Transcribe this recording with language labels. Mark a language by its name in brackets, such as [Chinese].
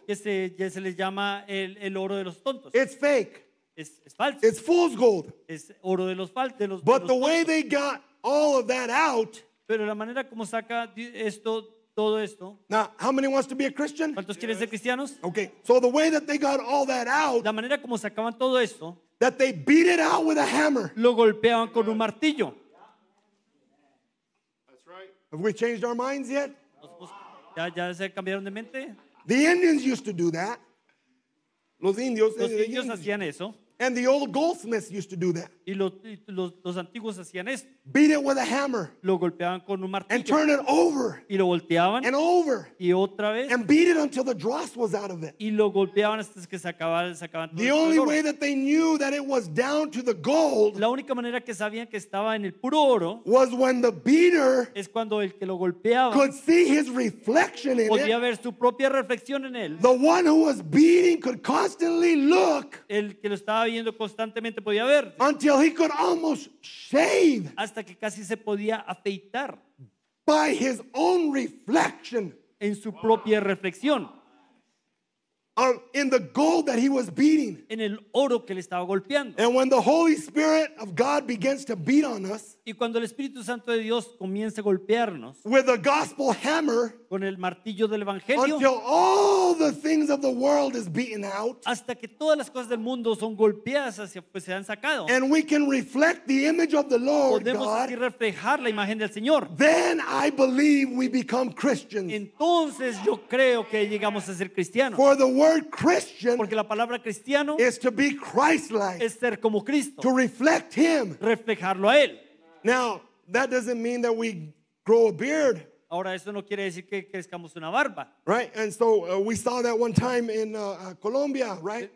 [Spanish] Se les llama el oro de los tontos. [English] It's fake. [Spanish] Es falso. [English] It's fool's gold. [Spanish] Es oro de los [English] but [Spanish] de los [English] the [Spanish] tontos. [English] Way they got all of that out, [Spanish] pero la manera como saca esto, todo esto, [English] now, how many wants to be a Christian? [Spanish] ¿Cuántos quieren ser cristianos? [English] Okay, so the way that they got all that out, [Spanish] la manera como sacaban todo esto, [English] that they beat it out with a hammer. [Spanish] Lo golpeaban con un martillo. [English] That's right. Have we changed our minds yet? [Spanish] ¿Ya se cambiaron de mente? [English] The Indians used to do that. [Spanish] Los indios. Los indios hacían eso. [English] And the old goldsmiths used to do that. [Spanish] Y los antiguos hacían esto. [English] Beat it with a hammer. [Spanish] Lo golpeaban con un martillo. [English] And turn it over. [Spanish] Y lo volteaban. [English] And over. [Spanish] Y otra vez. [English] And beat it until the dross was out of it. [Spanish] Y lo golpeaban hasta que se acababa todo. [English] The only way that they knew that it was down to the gold, [Spanish] la única manera que sabían que estaba en el puro oro, [English] was when the beater, [Spanish] es cuando el que lo golpeaba, [English] could see his reflection in it. [Spanish] Podía ver su propia reflexión en él. [English] The one who was beating could constantly look. [Spanish] El que lo estaba viendo constantemente podía ver. [English] Until he could almost shave. [Spanish] Hasta que casi se podía afeitar. [English] By his own reflection. [Spanish] En su propia reflexión. [English] In the gold that he was beating. [Spanish] En el oro que le estaba golpeando. [English] And when the Holy Spirit of God begins to beat on us. [Spanish] Y cuando el Espíritu Santo de Dios comienza a golpearnos. [English] With a gospel hammer. [Spanish] Con el martillo del evangelio. [English] Until all the things of the world is beaten out. [Spanish] Hasta que todas las cosas del mundo son golpeadas hacia, pues se han sacado. [English] And we can reflect the image of the Lord God. [Spanish] Podemos así reflejar la imagen del Señor. [English] Then I believe we become Christians. [Spanish] Entonces yo creo que llegamos a ser cristianos. [English] For the word Christian, [Spanish] porque la palabra cristiano [English] is to be Christ-like, [Spanish] es ser como Cristo, [English] to reflect him, [Spanish] reflejarlo a él. [English] Now that doesn't mean that we grow a beard. [Spanish] Ahora eso no quiere decir que crezcamos una barba. [English] Right, and so we saw that one time in Colombia, right?